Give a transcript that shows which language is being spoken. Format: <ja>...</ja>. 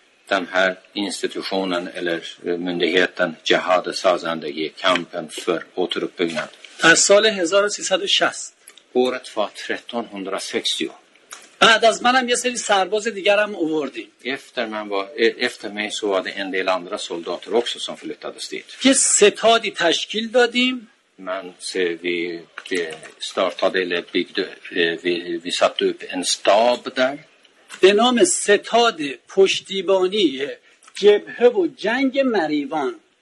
<sv>den här institutionen eller myndigheten Jihad Sazandagi, kampen för återuppbyggnad.</sv> <fa>در سال 1360</fa> <sv>året var 1360.</sv> <fa>بعد از منم یه سری سرباز دیگر هم آوردیم.</fa> <sv>Efter man var efter mig så var det en del andra soldater också som flyttades dit.</sv> <fa>یه ستادی تشکیل دادیم.</fa> <sv>Men så vi startade eller byggde vi satte upp en stab där.</sv> <fa>به نام ستاد پشتیبانی جبهه و جنگ مریوان.</fa>